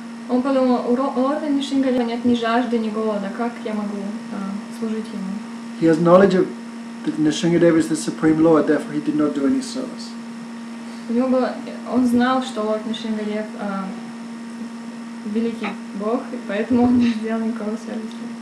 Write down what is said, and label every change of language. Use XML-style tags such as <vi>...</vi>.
<ru>Он подумал, у Лорда Нишингадева нет ни жажды, ни голода. Как я могу служить ему?</ru> <en>He has knowledge of that Nrisingadeva is the supreme Lord. Therefore, he did not do any service.</en> <ru>Он знал, что Лорд Нишингадев великий Бог, и поэтому он не сделал никакого сервиса.</ru>